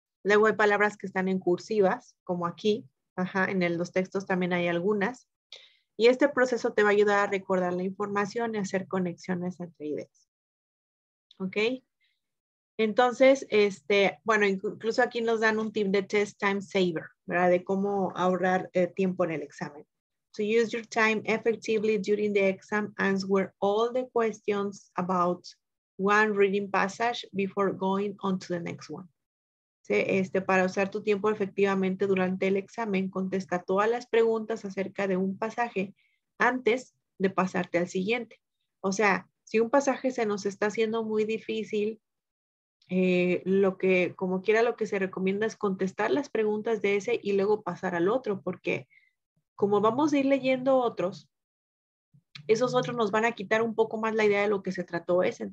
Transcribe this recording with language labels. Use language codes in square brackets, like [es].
[es] Luego hay palabras que están en cursivas, como aquí, ajá, los textos también hay algunas. Y este proceso te va a ayudar a recordar la información y hacer conexiones entre ideas. ¿Ok? Entonces, bueno, incluso aquí nos dan un tip de [en] test time saver, [es] ¿verdad? De cómo ahorrar tiempo en el examen. [en] To use your time effectively during the exam, answer all the questions about one reading passage before going on to the next one. [es] ¿Sí? Para usar tu tiempo efectivamente durante el examen, contesta todas las preguntas acerca de un pasaje antes de pasarte al siguiente. O sea, si un pasaje se nos está haciendo muy difícil, lo que se recomienda es contestar las preguntas de ese y luego pasar al otro, porque como vamos a ir leyendo otros, esos otros nos van a quitar un poco más la idea de lo que se trató ese.